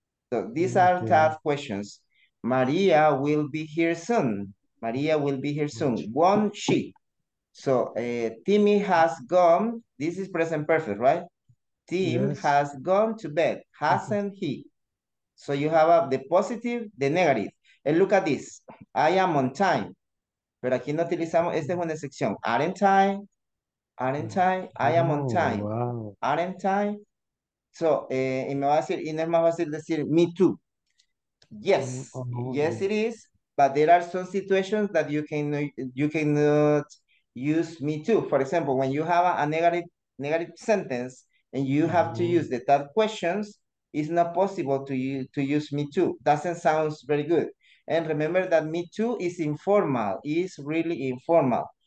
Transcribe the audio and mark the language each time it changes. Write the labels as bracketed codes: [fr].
[en] So these are tough questions. Maria will be here soon. Maria will be here soon. Won't she? So Timmy has gone. This is present perfect, right? Tim yes. has gone to bed, hasn't he? So you have a, the positive, the negative. And look at this. I am on time. [es] Pero aquí no utilizamos, esta es una excepción. [en] Aren't I? Aren't I? I am on time. Wow. Aren't I? [es] So, y me va a decir, y no es más fácil decir, [en] me too. Yes. Oh, no, yes, it is. But there are some situations that you cannot use me too. For example, when you have a negative sentence and you have to use the third questions, it's not possible to use me too. Doesn't sound very good. And remember that me too is informal, is really informal.